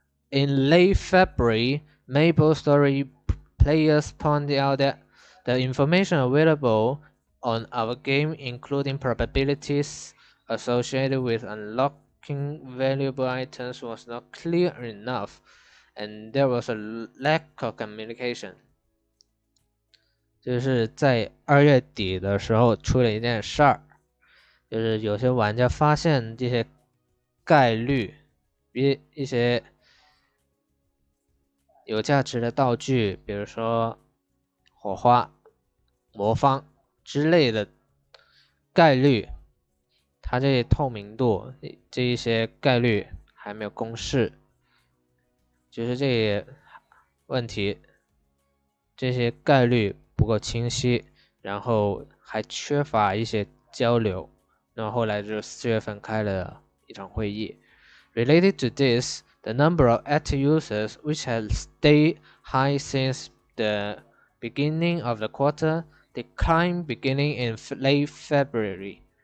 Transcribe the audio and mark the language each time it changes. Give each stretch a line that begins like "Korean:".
English: In late February, Maple Story players pointed out that the information available on our game, including probabilities associated with unlocking valuable items was not clear enough, and there was a lack of communication.
Chinese: 就是在二月底的时候出了一件事儿，就是有些玩家发现这些概率，一些有价值的道具，比如说火花、魔方之类的概率。它这些透明度这一些概率还没有公示，就是这些问题，这些概率不够清晰，然后还缺乏一些交流。那后来就是四月份开了一场会议。
English: Related to this, the number of active users which has stayed high since the beginning of the quarter declined beginning in late February.